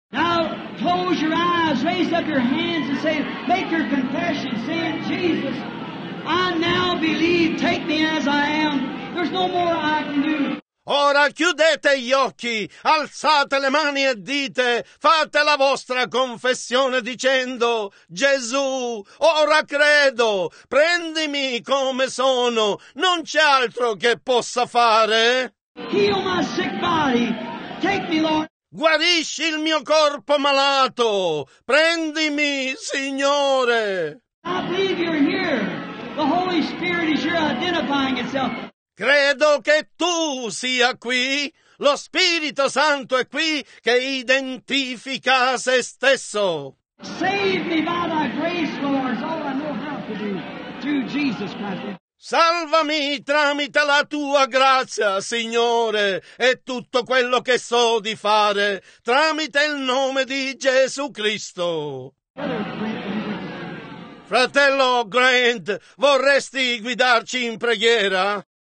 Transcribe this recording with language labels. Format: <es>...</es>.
<en>Now close your eyes, raise up your hands and say, make your confession, saying, Jesus, I now believe, take me as I am. There's no more I can do.</en> <it>Ora chiudete gli occhi, alzate le mani e dite, fate la vostra confessione dicendo, Gesù, ora credo, prendimi come sono, non c'è altro che possa fare.</it> <en>Heal my sick body, take me, Lord.</en> <it>Guarisci il mio corpo malato. Prendimi, Signore.</it> <en>I believe you're here. The Holy Spirit is here identifying itself.</en> <it>Credo che tu sia qui. Lo Spirito Santo è qui che identifica se stesso.</it> <en>Save me by thy grace, Lord. All I know how to do through Jesus Christ.</en> <it>Salvami tramite la tua grazia, Signore, e tutto quello che so di fare, tramite il nome di Gesù Cristo. Fratello Grant, vorresti guidarci in preghiera?</it>